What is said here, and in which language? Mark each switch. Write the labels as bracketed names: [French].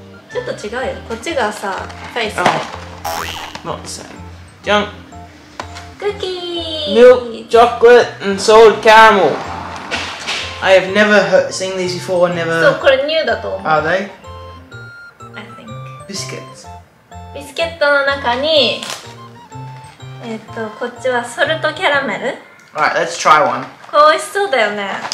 [Japanese] ちょっと違うよ、こっちがさ、フェイス。 [English] Not the same. [Japanese] じゃん。クッキー。 [English] Milk, chocolate, and salted caramel. I have never seen these before, never. [Japanese] そう、これニューだと思う。 [English] Are they? I think. [Japanese] ビスケット。ビスケットの中に、こっちはソルトキャラメル。 [English] Alright, let's try one. [Japanese] これ美味しそうだよね。